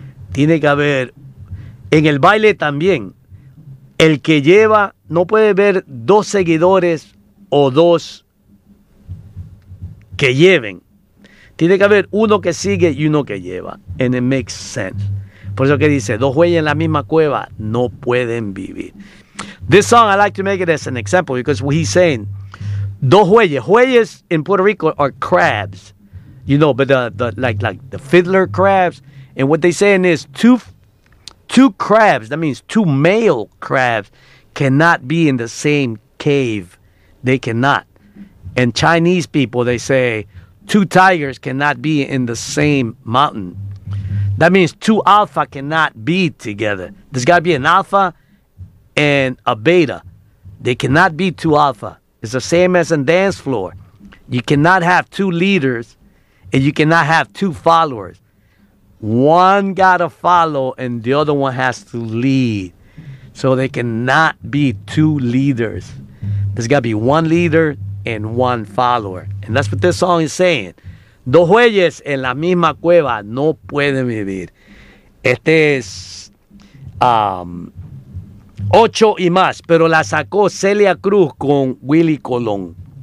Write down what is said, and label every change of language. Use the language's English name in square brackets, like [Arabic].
[Spanish] Tiene que haber, en el baile también, el que lleva no puede ver dos seguidores o dos que lleven. Tiene que haber uno que sigue y uno que lleva. And it makes sense. Por eso que dice, dos jueyes en la misma cueva no pueden vivir. [English] This song, I like to make it as an example because what he's saying, dos jueyes. Jueyes in Puerto Rico are crabs. You know, but like the fiddler crabs. And what they're saying is two crabs, that means two male crabs, cannot be in the same cave. They cannot. And Chinese people, they say, two tigers cannot be in the same mountain. That means two alpha cannot be together. There's got to be an alpha and a beta. They cannot be two alpha. It's the same as a dance floor. You cannot have two leaders and you cannot have two followers. One got to follow and the other one has to lead. So they cannot be two leaders. There's got to be one leader and one follower. And that's what this song is saying. [Spanish] Dos jueyes en la misma cueva no pueden vivir. Este es 8 y más, pero la sacó Celia Cruz con Willy Colón.